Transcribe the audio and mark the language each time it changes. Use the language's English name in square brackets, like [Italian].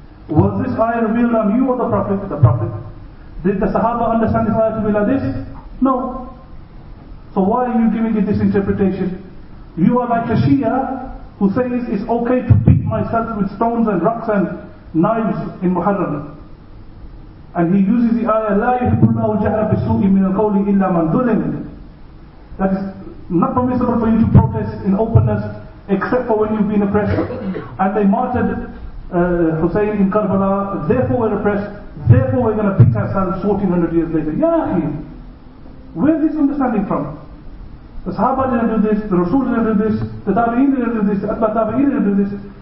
[English] Was this ayah revealed on you or the Prophet? The Prophet. Did the Sahaba understand this ayah to be like this? No. So why are you giving it this interpretation? You are like a Shia who says it's okay to beat myself with stones and rocks and knives in Muharram. And he uses the ayah, [Arabic] لَا يُحِبُّ اللَّهُ جَهْرَ بِسُوءٍ مِنَ الْقَوْلِ إِلَّا مَنْ ظُلِمَ. [English] That is not permissible for you to protest in openness except for when you've been oppressed. And they martyred Hussein in Karbala, therefore we're oppressed, therefore we're going to pick our son 1400 years later. Ya Akhi, where is this understanding from? The Sahaba didn't do this, the Rasul didn't do this, the Tabi'in didn't do this, the Atba Tabi'in didn't do this.